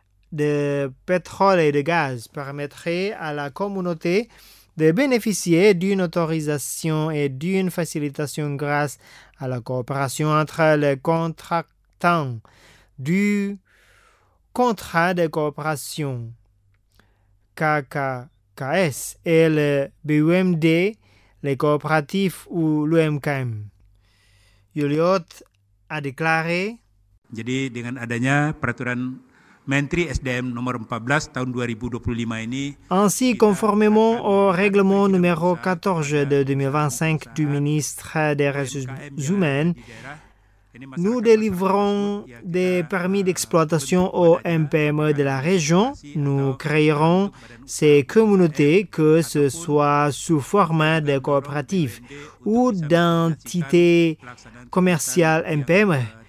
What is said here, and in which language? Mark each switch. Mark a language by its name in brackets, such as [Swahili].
[French] de pétrole et de gaz permettrait à la communauté de bénéficier d'une autorisation et d'une facilitation grâce à la coopération entre les contractants du contrat de coopération KKKS et le BUMD, les coopératifs ou l'UMKM. Juliot a déclaré. [Indonesian] Jadi dengan adanya peraturan Menteri SDM nomor 14 tahun 2025 ini. [French] Ainsi, conformément au règlement numéro 14 de 2025 du ministre des Ressources humaines, nous délivrons des permis d'exploitation aux MPME de la région. Nous créerons ces communautés, que ce soit sous forme de coopératives ou d'entités commerciales MPME.